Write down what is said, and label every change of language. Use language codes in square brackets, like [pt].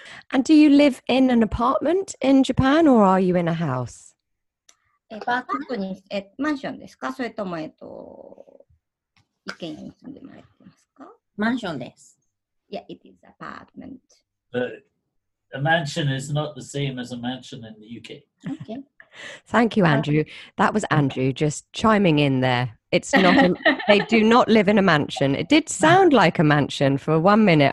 [en] And do you live in an apartment in Japan or are you in a house? [ja] パートナーに、マンションですか？それとも、一軒家に住んでもらってますか？マンションです。 [en] Yeah, it is apartment. But a mansion is not the same as a mansion in the UK. Okay. Thank you, Andrew. That was Andrew just chiming in there. It's not. they do not live in a mansion. It did sound like a mansion for 1 minute.